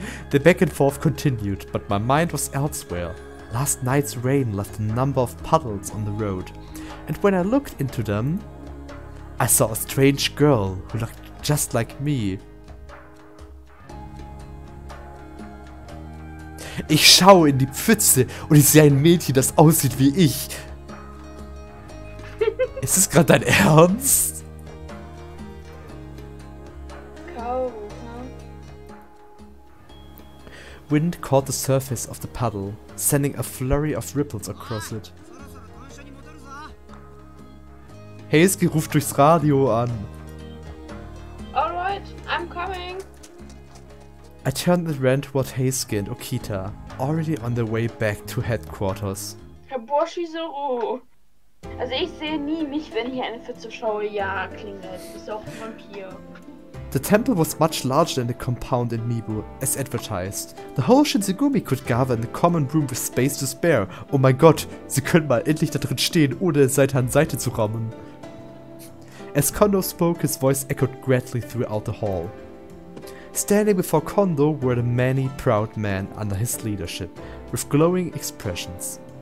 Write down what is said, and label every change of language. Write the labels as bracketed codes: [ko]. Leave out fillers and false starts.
[en] The back and forth continued, but my mind was elsewhere. Last night's rain left a number of puddles on the road, and when I looked into them, I saw a strange girl who looked just like me. [de] Ich schaue in die Pfütze und ich sehe ein Mädchen, das aussieht wie ich. Ist das gerade dein Ernst? [en] Wind caught the surface of the puddle, sending a flurry of ripples across it. [de] Heisuke ruft durchs Radio an. [en] Alright, I'm coming. I turned and ran toward Heisuke and Okita, already on their way back to headquarters. [de] Herr Boshizuru! Also ich sehe nie mich, wenn ich eine Pfütze schaue. Ja, klingelt. Du bist auch ein Vampir. [en] The temple was much larger than the compound in Mibu, as advertised. The whole Shinsegumi could gather in the common room with space to spare. [de] Oh mein Gott, sie können mal endlich da drin stehen, ohne Seite an Seite zu rammen. [en] As Kondo spoke, his voice echoed greatly throughout the hall. Standing before Kondo were the many proud men under his leadership, with glowing expressions.